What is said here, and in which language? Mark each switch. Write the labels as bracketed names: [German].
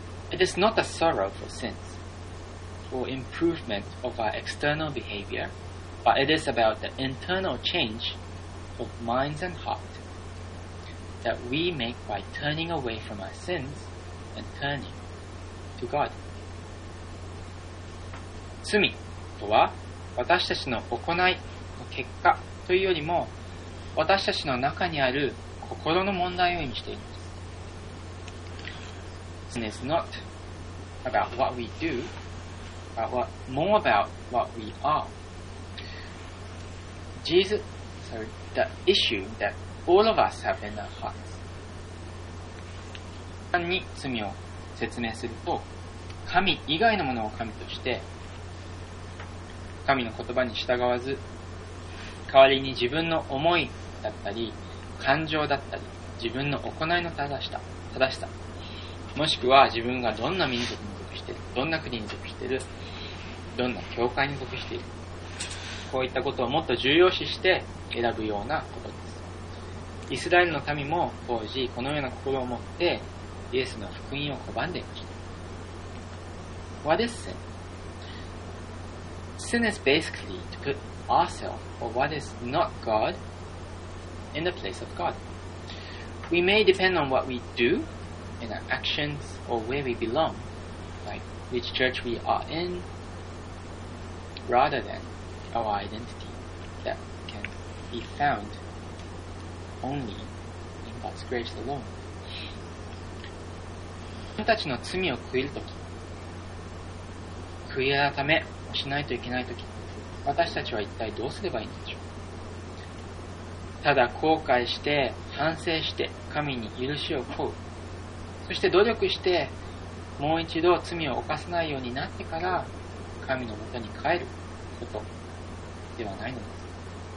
[English] It is not a sorrow for sins or improvement of our external behavior, but it is about the internal change of minds and heart that we make by turning away from our sins and turning to God. [Japanese] 罪とは私たちの行いの結果というよりも、私たちの中にある心の問題を意味しています。 [English] Sin is not about what we do, but what, more about what we are. The issue that all of us have in our hearts. [Japanese] 簡単に罪を説明すると、神以外のものを神として、神の言葉に従わず、代わりに自分の思いだったり感情だったり自分の行いの正しさ、もしくは自分がどんな民族に属している、どんな国に属している、どんな教会に属している、こういったことをもっと重要視して選ぶようなことです。イスラエルの民も当時このような心を持ってイエスの福音を拒んでいました。 [English] What is sin? Sin is basically to put ourselves or what is not God in the place of God. We may depend on what we do in our actions or where we belong, like which church we are in, rather than our identity that can be found only in God's grace alone. [Japanese] 自分たちの罪を悔いるとき、悔い改めをしないといけないとき、私たちは一体どうすればいいんでしょう。ただ後悔して反省して神に許しを請う、そして努力してもう一度罪を犯さないようになってから神のもとに帰ることではないのです。